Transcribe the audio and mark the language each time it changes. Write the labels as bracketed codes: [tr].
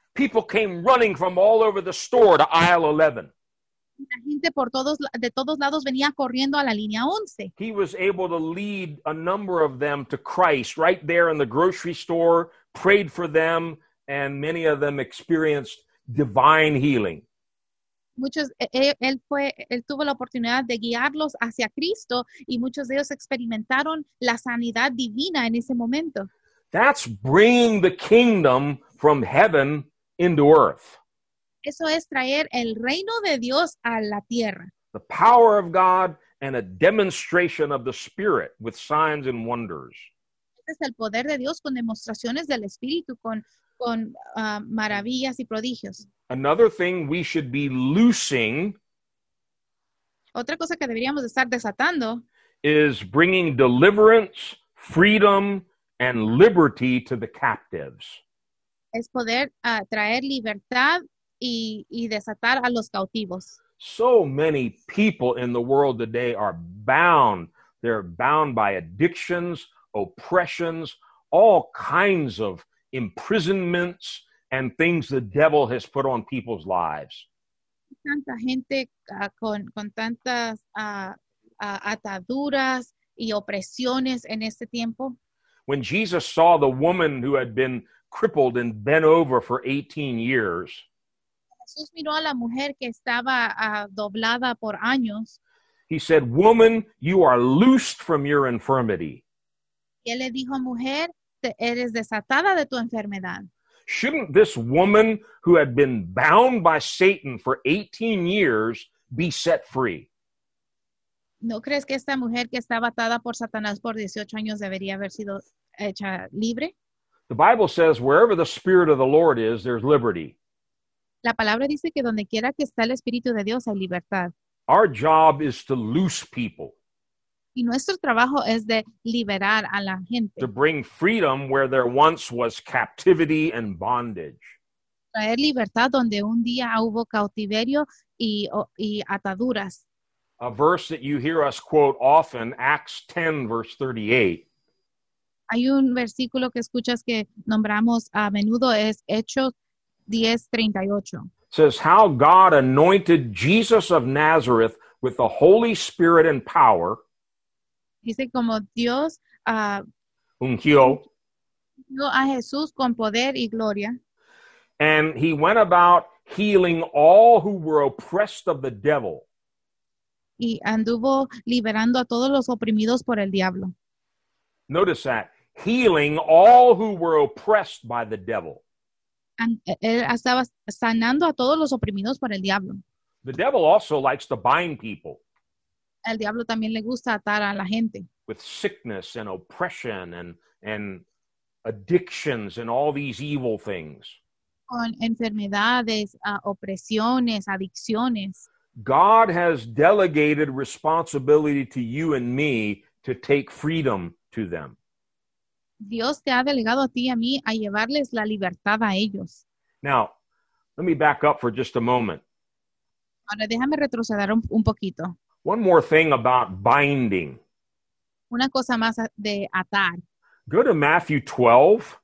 [en] People came running from all over the store to aisle 11. [es] La gente por todos, de todos lados venía corriendo a la línea 11. [en] He was able to lead a number of them to Christ right there in the grocery store, prayed for them, and many of them experienced divine healing. [es] Muchos, él tuvo la oportunidad de guiarlos hacia Cristo y muchos de ellos experimentaron la sanidad divina en ese momento. [en] That's bringing the kingdom from heaven into earth. [es] Eso es traer el reino de Dios a la tierra. [en] The power of God and a demonstration of the Spirit with signs and wonders. [es] Es el poder de Dios con demostraciones del Espíritu, con maravillas y prodigios. [en] Another thing we should be loosing. [es] Otra cosa que deberíamos estar desatando. [en] Is bringing deliverance, freedom, and liberty to the captives. [es] Es poder traer libertad. Y desatar a los cautivos. [en] So many people in the world today are bound. They're bound by addictions, oppressions, all kinds of imprisonments and things the devil has put on people's lives. [es] Tanta gente con tantas ataduras y opresiones en este tiempo. [en] When Jesus saw the woman who had been crippled and bent over for 18 years, [es] Jesús miró a la mujer que estaba doblada por años. [en] He said, "Woman, you are loosed from your infirmity." [es] Y él le dijo, "Mujer, eres desatada de tu enfermedad." [en] Shouldn't this woman who had been bound by Satan for 18 years be set free? [es] ¿No crees que esta mujer que estaba atada por Satanás por 18 años debería haber sido hecha libre? [en] The Bible says, "Wherever the Spirit of the Lord is, there's liberty." [es] La palabra dice que donde quiera que está el Espíritu de Dios hay libertad. [en] Our job is to loose people. [es] Y nuestro trabajo es de liberar a la gente. [en] To bring freedom where there once was captivity and bondage. [es] Traer libertad donde un día hubo cautiverio y ataduras. [en] A verse that you hear us quote often, Acts 10, verse 38. [es] Hay un versículo que escuchas que nombramos a menudo, es Hechos 10:38. [en] Says how God anointed Jesus of Nazareth with the Holy Spirit and power. [es] Dice como Dios ungió a Jesús con poder y gloria. [en] And he went about healing all who were oppressed of the devil. [es] Y anduvo liberando a todos los oprimidos por el diablo. [en] Notice that. Healing all who were oppressed by the devil. [es] Él estaba sanando a todos los oprimidos por el diablo. [en] The devil also likes to bind people. [es] El diablo también le gusta atar a la gente. [en] With sickness and oppression and addictions and all these evil things. [es] Con enfermedades, opresiones, adicciones. [en] God has delegated responsibility to you and me to take freedom to them. [es] Dios te ha delegado a ti y a mí a llevarles la libertad a ellos. [en] Now, let me back up for just a moment. [es] Ahora déjame retroceder un poquito. [en] One more thing about binding. [es] Una cosa más de atar. [en] Go to Matthew 12.